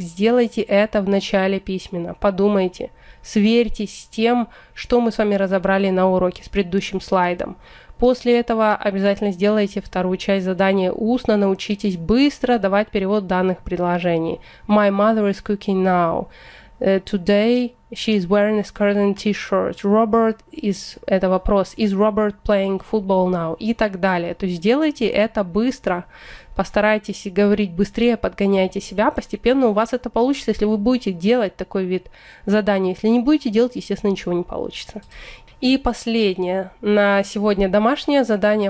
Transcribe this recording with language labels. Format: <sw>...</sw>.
<ru>Сделайте это в начале письменно. Подумайте, сверьтесь с тем, что мы с вами разобрали на уроке с предыдущим слайдом. После этого обязательно сделайте вторую часть задания устно. Научитесь быстро давать перевод данных предложений.</ru> <en>My mother is cooking now. Today she is wearing a skirt and t-shirt. Robert is...</en> <ru>Это вопрос.</ru> <en>Is Robert playing football now?</en> <ru>И так далее. То есть делайте это быстро. Постарайтесь говорить быстрее, подгоняйте себя. Постепенно у вас это получится, если вы будете делать такой вид задания. Если не будете делать, естественно, ничего не получится. И последнее на сегодня домашнее задание.</ru>